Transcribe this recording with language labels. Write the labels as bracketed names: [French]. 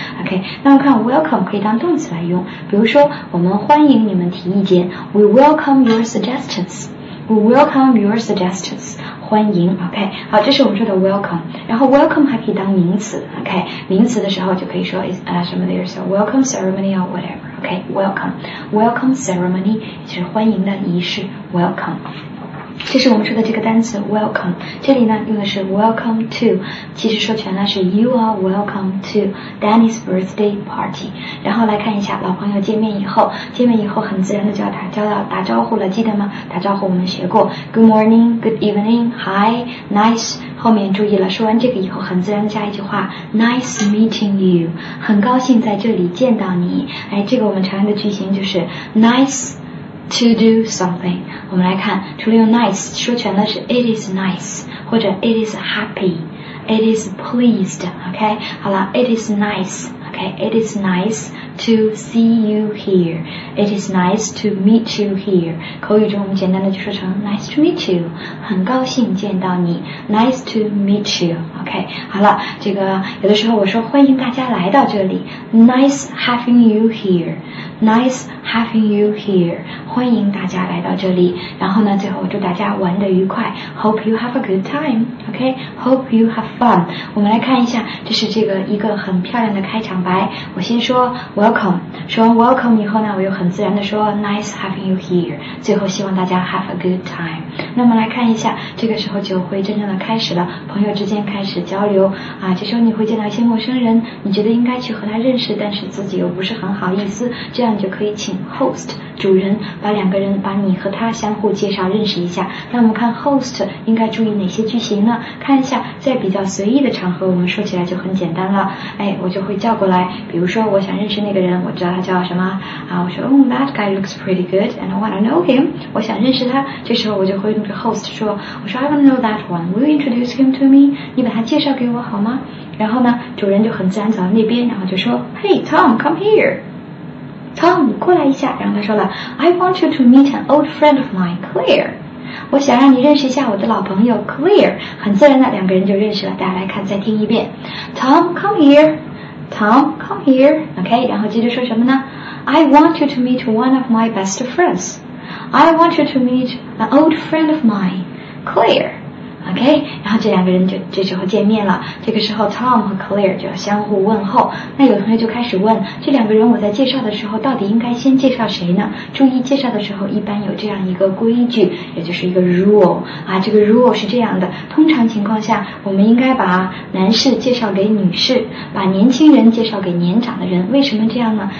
[Chinese] OK, 那我们看 Welcome 可以当动词来用，比如说我们欢迎你们提意见， [English] We welcome your suggestions. We welcome your suggestions. [Chinese] 欢迎 ,OK, 好，这是我们说的 welcome. 然后 welcome 还可以当名词 ,OK, 名词的时候就可以说 什么 [English] there's a welcome ceremony or whatever, [Chinese] OK, welcome. Welcome ceremony 就是欢迎的仪式 ,welcome. 这是我们说的这个单词 welcome, 这里呢用的是 welcome to, 其实说全了是 [English] you are welcome to Danny's birthday party. [Chinese] 然后来看一下老朋友见面以后很自然的就要打招呼了，记得吗？打招呼我们学过 good morning, good evening, hi, nice, 后面注意了，说完这个以后很自然的加一句话 [English] nice meeting you, [Chinese] 很高兴在这里见到你，这个我们常用的句型就是 niceTo do something, 我们来看，除了用 nice, 说全的是 it is nice, 或者 it is happy, it is pleased, OK? [English] 好了 it is nice, OK? It is nice to see you here, it is nice to meet you here. [Chinese] 口语中我们简单的就说成 [English] nice to meet you, [Chinese] 很高兴见到你 nice to meet you, OK? 好了，这个有的时候我说欢迎大家来到这里 [English] nice having you here,Nice having you here. [Chinese] 欢迎大家来到这里。然后呢，最后祝大家玩得愉快。 [English] Hope you have a good time. OK? Hope you have fun. [Chinese] 我们来看一下，这是这个一个很漂亮的开场白。我先说 welcome. 说完 welcome 以后呢，我又很自然地说 [English] nice having you here. [Chinese] 最后希望大家 [English] have a good time. [Chinese] 那么来看一下，这个时候就会真正的开始了，朋友之间开始交流。这时候你会见到一些陌生人，你觉得应该去和他认识，但是自己又不是很好意思。这样你就可以请 host 主人把两个人把你和他相互介绍认识一下。那我们看 host 应该注意哪些句型呢？看一下，在比较随意的场合我们说起来就很简单了，我就会叫过来，比如说我想认识那个人，我知道他叫什么啊。我说 [English] ，Oh, that guy looks pretty good, and I want to know him. [Chinese] 我想认识他。这时候我就回那个 host 说，我说 [English] I want to know that one. Will you introduce him to me? [Chinese] 你把他介绍给我好吗？然后呢，主人就很自然走到那边，然后就说 ， [English] Hey, Tom, come here. Tom, [Chinese] 过来一下，然后他说了 [English] I want you to meet an old friend of mine, Claire. [Chinese] 我想让你认识一下我的老朋友 Claire. 很自然的两个人就认识了，大家来看，再听一遍。 [English] Tom, come here. Tom, come here. OK, [Chinese] 然后接着说什么呢 [English] I want you to meet one of my best friends. I want you to meet an old friend of mine, Claire. [Chinese] OK, 然后这两个人就这时候见面了。这个时候 Tom 和 Claire 就要相互问候。那有同学就开始问，这两个人我在介绍的时候到底应该先介绍谁呢？注意，介绍的时候一般有这样一个规矩，也就是一个 rule 啊。这个 rule 是这样的，通常情况下我们应该把男士介绍给女士，把年轻人介绍给年长的人。为什么这样呢？